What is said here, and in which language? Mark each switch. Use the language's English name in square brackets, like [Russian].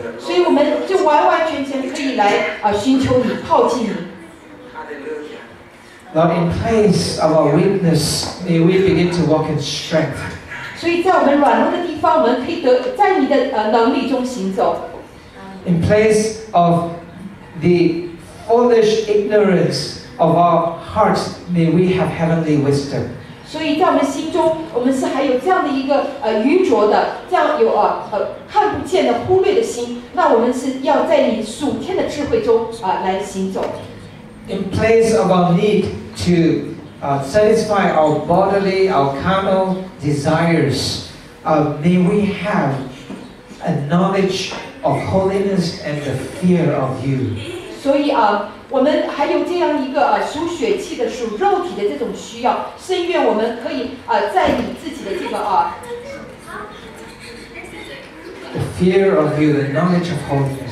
[Chinese] 所以我们就完完全全可以来寻求你，靠近你。 [English] Lord, in place of our weakness, may we begin to walk in strength. [Chinese] 所以在我们软弱的地方，我们可以得在你的能力中行走。 [English] In place of the foolish ignorance of our hearts, may we have heavenly wisdom. [Chinese] 所以在我们心中，我们是还有这样的一个愚拙的，这样有看不见的忽略的心。那我们是要在你属天的智慧中来行走。 [English] In place of our need to satisfy our bodily, our carnal desires, may we have a knowledge of holiness and the fear of you. [Chinese] 所以我们还有这样一个属血气的、属肉体的这种需要，深愿我们可以在你自己的这个 [English] The fear of you, the knowledge of holiness.